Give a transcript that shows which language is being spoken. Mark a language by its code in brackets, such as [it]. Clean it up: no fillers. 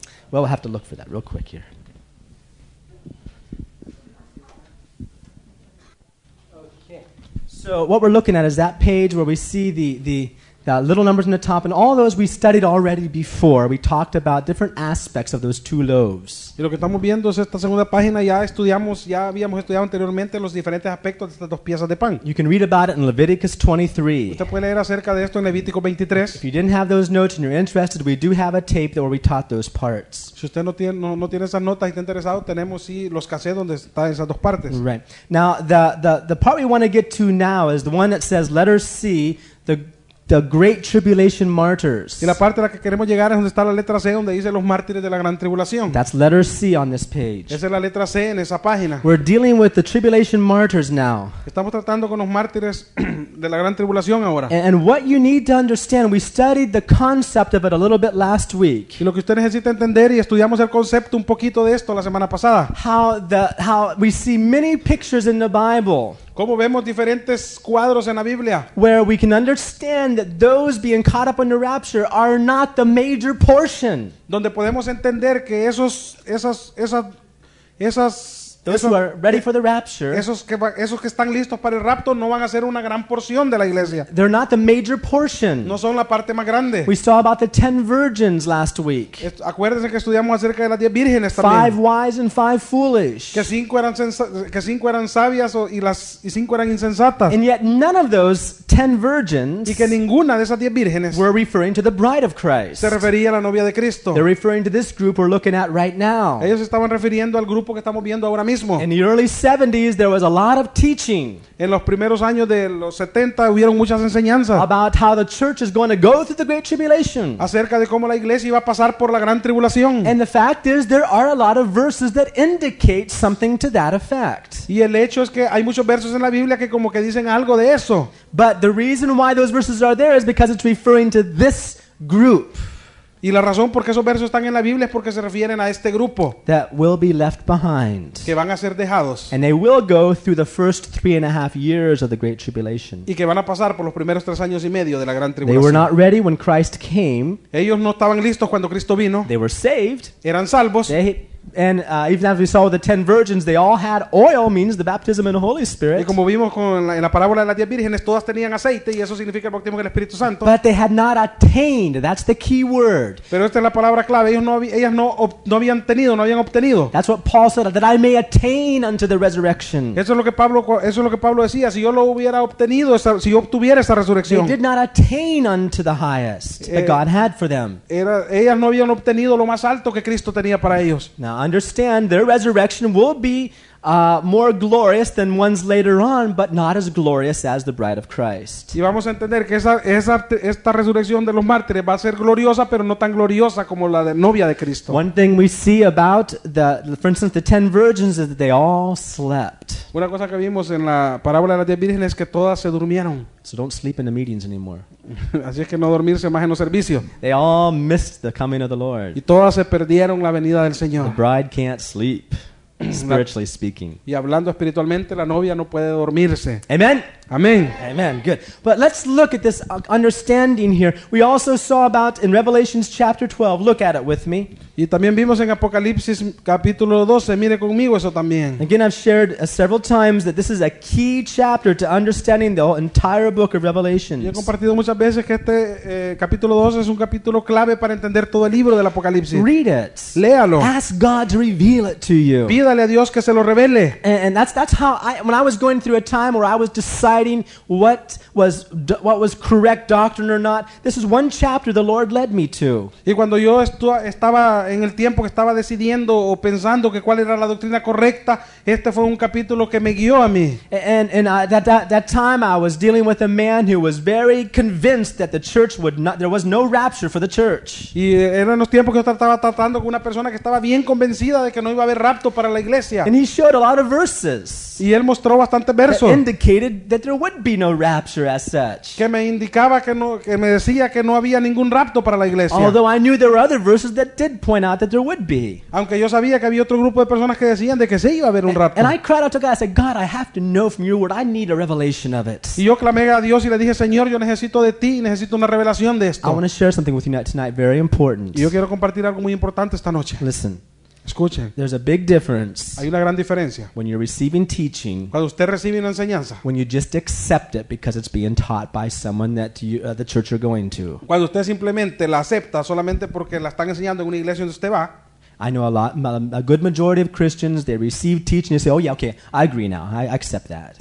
[en] Well, we'll have to look for that real quick here. Okay. So what we're looking at is that page where we see the little numbers in the top, and all those we studied already before. We talked about different aspects of those two loaves. [es] Y lo que estamos viendo es esta segunda página. Ya habíamos estudiado anteriormente los diferentes aspectos de estas dos piezas de pan. [en] You can read about it in Leviticus 23. [es] Usted puede leer acerca de esto en Levítico 23. [en] If you didn't have those notes and you're interested, we do have a tape where we taught those parts. [es] Si usted no tiene esas notas y está interesado, tenemos sí los cassettes donde están esas dos partes. [en] Right. Now, the part we want to get to now is the one that says letter C, the Great Tribulation Martyrs. [es] Y la parte a la que queremos llegar es donde está la letra C, donde dice los mártires de la gran tribulación. [en] That's letter C on this page. [es] Esa es la letra C en esa página. [en] We're dealing with the tribulation martyrs now. [es] Estamos tratando con los mártires de la gran tribulación ahora. [en] And what you need to understand, we studied the concept of it a little bit last week. [es] Y lo que usted necesita entender, y estudiamos el concepto un poquito de esto la semana pasada. [en] How we see many pictures in the Bible. [es] Como vemos diferentes cuadros en la Biblia. [en] Where we can understand that those being caught up in the rapture are not the major portion. [es] Donde podemos entender que [en] those who are ready for the rapture. [es] Esos que están listos para el rapto no van a ser una gran porción de la iglesia. [en] They're not the major portion. [es] No son la parte más grande. [en] We saw about the 10 virgins last week. [es] Acuérdense que estudiamos acerca de las 10 vírgenes también. [en] Five wise and five foolish. [es] Que cinco eran sabias y cinco eran insensatas. [en] And yet none of those 10 virgins. [es] Y que ninguna de esas 10 vírgenes. [en] Were referring to the bride of Christ. [es] Se refería a la novia de Cristo. [en] They're referring to this group we're looking at right now. [es] Ellos estaban refiriendo al grupo que estamos viendo ahora. [en] In the early 70s, there was a lot of teaching. [es] En los primeros años de los 70 hubieron muchas enseñanzas. [en] About how the church is going to go through the great tribulation. [es] Acerca de cómo la iglesia iba a pasar por la gran tribulación. [en] And the fact is, there are a lot of verses that indicate something to that effect. [es] Y el hecho es que hay muchos versos en la Biblia que como que dicen algo de eso. [en] But the reason why those verses are there is because it's referring to this group. [es] Y la razón por qué esos versos están en la Biblia es porque se refieren a este grupo. [en] That will be left behind. [es] Que van a ser dejados. [en] And they will go through the first 3.5 years of the Great Tribulation. [es] Y que van a pasar por los primeros 3 años y medio de la Gran Tribulación. [en] They were not ready when Christ came. [es] Ellos no estaban listos cuando Cristo vino. [en] They were saved. [es] Eran salvos. [en] Even as we saw with the 10 virgins, they all had oil, means the baptism in the Holy Spirit. [es] Y como vimos en la parábola de las 10 vírgenes, todas tenían aceite y eso significa el bautismo del Espíritu Santo. [en] But they had not attained. That's the key word. [es] Pero esta es la palabra clave. Ellas no habían obtenido. [en] That's what Paul said, that I may attain unto the resurrection. [es] Eso es lo que Pablo decía. Si yo lo hubiera obtenido, si yo obtuviera esa resurrección. [en] They did not attain unto the highest that God had for them. [es] Ellas no habían obtenido lo más alto que Cristo tenía para ellos. [en] Now understand, their resurrection will be more glorious than ones later on, but not as glorious as the bride of Christ. [es] Y vamos a entender que esta resurrección de los mártires va a ser gloriosa, pero no tan gloriosa como la de novia de Cristo. [en] One thing we see about the 10 virgins is that they all slept. [es] Una cosa que vimos en la parábola de las 10 vírgenes es que todas se durmieron. [en] So don't sleep in the meetings anymore. [es] Así es que no dormirse más en los servicios. [en] They all missed the coming of the Lord. [es] Y todas se perdieron la venida del Señor. [en] The bride can't sleep. spiritually speaking. [es] Y hablando espiritualmente, la novia no puede dormirse. [en] Amen. [es] Amen. [en] Amen. Good. But let's look at this understanding here. We also saw about in Revelation chapter 12. Look at it with me. [es] Y también vimos en Apocalipsis capítulo 12. Mire conmigo eso también. [en] Again, I've shared several times that this is a key chapter to understanding the entire book of Revelation. [es] Yo he compartido muchas veces que este capítulo 12 es un capítulo clave para entender todo el libro del Apocalipsis. [en] Read it. [es] Léalo. [en] Ask God to reveal it to you. [es] Pídale a Dios que se lo revele. [en] And that's how I, when I was going through a time where I was deciding what was correct doctrine or not, this is one chapter the Lord led me to. [es] Y cuando yo estaba en el tiempo que estaba decidiendo o pensando que cuál era la doctrina correcta, este fue un capítulo que me guió a mí. [en] And at that time I was dealing with a man who was very convinced that the church would not, there was no rapture for the church. [es] Y eran los tiempos que yo estaba tratando con una persona que estaba bien convencida de que no iba a haber rapto para la iglesia. [en] And he showed a lot of verses. [es] Y él mostró bastantes versos. [en] That indicated that there would be no rapture as such. [es] Que me indicaba que me decía que no había ningún rapto para la iglesia. [en] Although I knew there were other verses that did point out that there would be. [es] Aunque yo sabía que había otro grupo de personas que decían de que sí iba a haber un rapto. [en] And I cried out to God. I said, God, I have to know from your word. I need a revelation of it. [es] Y yo clamé a Dios y le dije, Señor, yo necesito de ti, necesito una revelación de esto. [en] I want to share something with you tonight, very important. [es] Y yo quiero compartir algo muy importante esta noche. [en] Listen. [es] Escuche, [en] there's a big difference. [es] Hay una gran diferencia. [en] When you're receiving teaching, [es] cuando usted recibe una enseñanza, [en] when you just accept it because it's being taught by someone that you, the church you're going to. [es] Cuando usted simplemente la acepta solamente porque la están enseñando en una iglesia donde usted va. [en] I know a good majority of Christians, they receive teaching and say, oh yeah, okay, I agree now, I accept that.